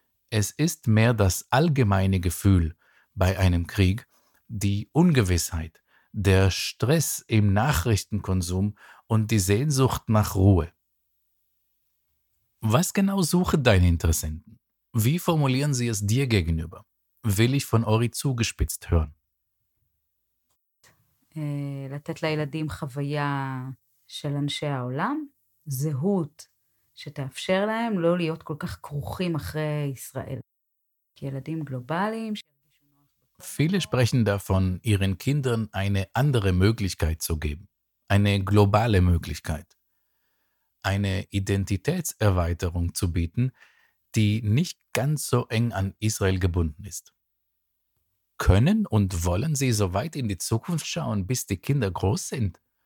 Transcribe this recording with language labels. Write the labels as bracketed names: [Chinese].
[German] Es ist mehr das allgemeine Gefühl bei einem Krieg, die Ungewissheit, der Stress im Nachrichtenkonsum und die Sehnsucht nach Ruhe. Was genau suchen deine Interessenten? Wie formulieren sie es dir gegenüber? Will ich von Ori zugespitzt hören. [Hebrew] לתת לילדים חוויה של אנשי העולם, זהות שתאפשר להם לא להיות כל כך כרוכים אחרי ישראל. כי ילדים גלובליים [German] Viele sprechen davon, ihren Kindern eine andere Möglichkeit zu geben, eine globale Möglichkeit, eine Identitätserweiterung zu bieten, die nicht ganz so eng an Israel gebunden ist. Können und wollen Sie so weit in die Zukunft schauen, bis die Kinder groß sind?